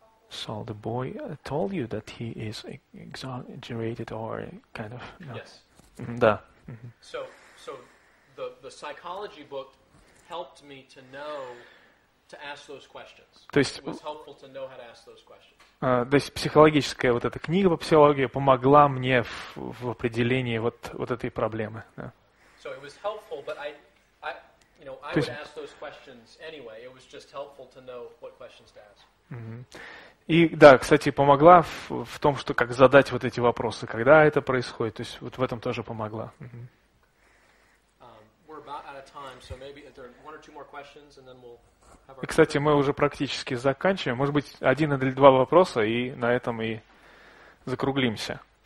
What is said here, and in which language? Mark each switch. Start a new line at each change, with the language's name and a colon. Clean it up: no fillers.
English: So the boy told you that he is exaggerated or kind of... No. Yes.
Russian: Да.
English: So the psychology book helped me to know...
Russian: То есть психологическая вот эта книга по психологии помогла мне в определении вот этой проблемы. Да.
English: So it was helpful, but I would ask those questions anyway. It was just helpful to know what questions to ask.
Russian: И да, кстати, помогла в том, что как задать вот эти вопросы, когда это происходит. То есть вот в этом тоже помогла.
English: We're about out of time, so maybe if there are one or two more questions, and then we'll.
Russian: И, кстати, мы уже практически заканчиваем. Может быть, один или два вопроса, и на этом и закруглимся.